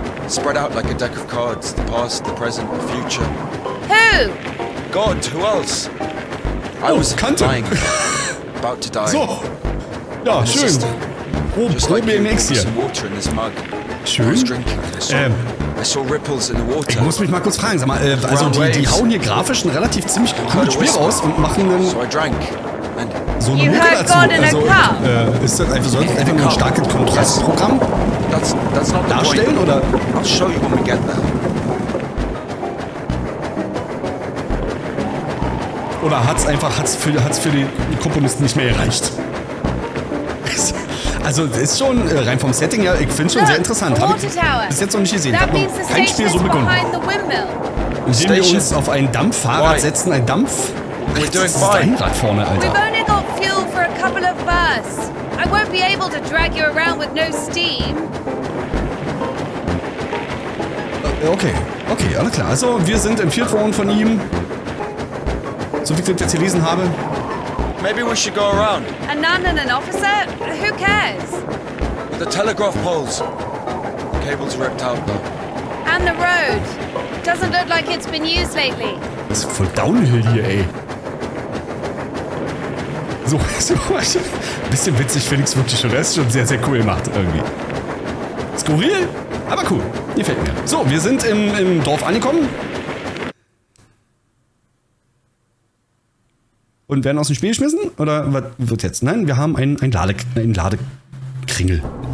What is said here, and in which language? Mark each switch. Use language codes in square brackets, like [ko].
[en] Spread out like a deck of cards. The past, the present, the future. Who? God, who else? I was dying, about to die. [de] So, ja, schön. Oh, probier like nix hier. [en] Water in this mug. [de] Schön. [en] I saw ripples in the water. [de] Ich muss mich mal kurz fragen, sag mal, also die hauen hier grafisch ein relativ ziemlich cooles Spiel raus und machen einen, [en] so, I drank. And [de] so eine Mucke dazu. Also, ist das einfach so ein starkes Kontrastprogramm darstellen oder? [en] I'll show you when we get there. [de] Oder hat's für die Komponisten nicht mehr erreicht? Also ist schon rein vom Setting her, ich find's schon sehr interessant. Hab ich bis jetzt noch nicht gesehen. Hab noch kein Spiel so begonnen. Indem wir uns auf ein Dampffahrrad setzen, ein Dampf. Das ist ein Rad vorne, Alter. [en] We've only got fuel for a couple of bursts. I won't be able to drag you around with no steam. [de] Okay, alles klar. Also wir sind entführt worden von ihm. So wie ich das jetzt gelesen habe. [en] Maybe we should go around. A nun and an officer? Who cares? The telegraph poles. The cable's ripped out, though. And the road. Doesn't look like it's been used lately. It's [de] voll [en] downhill [de] hier, ey. So, so. Bisschen witzig, Felix, wirklich schon. Das ist schon sehr, sehr cool gemacht, irgendwie. Skurril, aber cool. Gefällt mir. So, wir sind im Dorf angekommen. Und werden aus dem Spiel geschmissen? Oder was wird jetzt? Nein, wir haben einen Ladekringel.